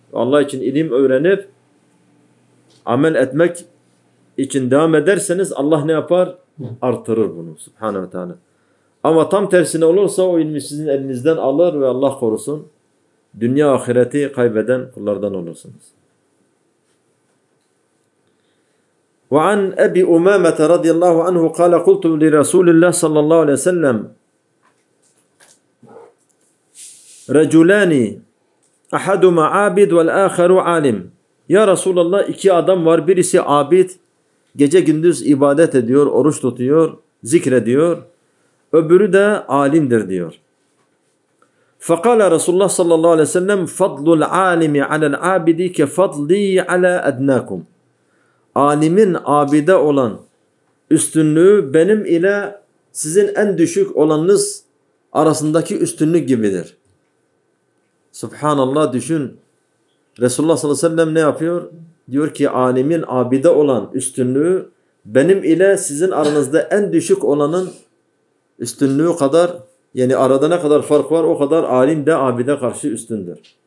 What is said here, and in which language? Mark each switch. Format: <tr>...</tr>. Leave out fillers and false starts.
<tr>Allah için ilim öğrenip amel etmek için devam ederseniz Allah ne yapar? Artırır bunu. Subhanahu ve Teala. Ama tam tersine olursa o ilmi sizin elinizden alır ve Allah korusun, dünya ahireti kaybeden kullardan olursunuz.</tr> <ar>وعن أبي أمامة رضي الله عنه قال قلت لرسول الله صلى الله عليه وسلم رجلان أحدهما عابد والآخر عالم. يا رسول الله</ar> <tr>iki adam var, birisi abid, gece gündüz ibadet ediyor, oruç tutuyor, zikrediyor, öbürü de alimdir diyor.</tr> <ar>فقال رسول الله صلى الله عليه وسلم فضل العالم على العابد كفضلي على أدناكم.</ar> <tr>Alimin abide olan üstünlüğü benim ile sizin en düşük olanınız arasındaki üstünlük gibidir. Subhanallah, düşün. Resulullah sallallahu aleyhi ve sellem ne yapıyor? Diyor ki alimin abide olan üstünlüğü benim ile sizin aranızda en düşük olanın üstünlüğü kadar, yani arada ne kadar fark var o kadar alim de abide karşı üstündür.</tr>